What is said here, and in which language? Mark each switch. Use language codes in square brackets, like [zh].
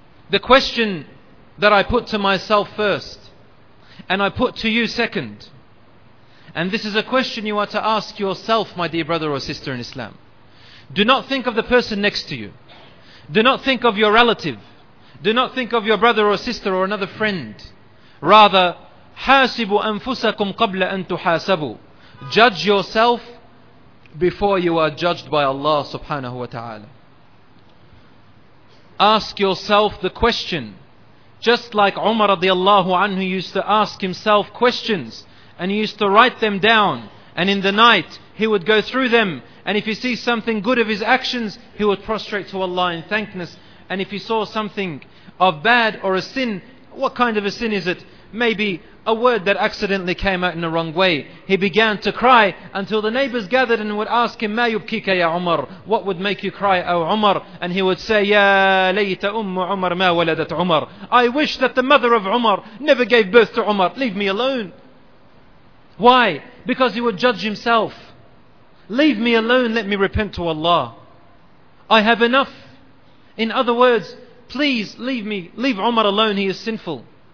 [en] The question that I put to myself first and I put to you second, and this is a question you are to ask yourself, my dear brother or sister in Islam. Do not think of the person next to you. Do not think of your relative. Do not think of your brother or sister or another friend. Rather, [ar] حاسبوا أنفسكم قبل أن تحاسبوا. [en] Judge yourself before you are judged by Allah subhanahu wa ta'ala. Ask yourself the question. Just like Umar radiallahu anhu used to ask himself questions and he used to write them down, and in the night he would go through them, and if he sees something good of his actions, he would prostrate to Allah in thankness. And if he saw something of bad or a sin, what kind of a sin is it? Maybe a word that accidentally came out in the wrong way. He began to cry until the neighbors gathered and would ask him, [ar] مَا يُبْكِكَ يَا عُمَرْ? [en] What would make you cry, O Umar? And he would say, [ar] يَا لَيْتَ أُمُّ عُمَرْ مَا وَلَدَتْ عُمَرْ? [en] I wish that the mother of Umar never gave birth to Umar. Leave me alone. Why? Because he would judge himself. Leave me alone, let me repent to Allah. I have enough. In other words, please leave me, leave Umar alone, he is sinful.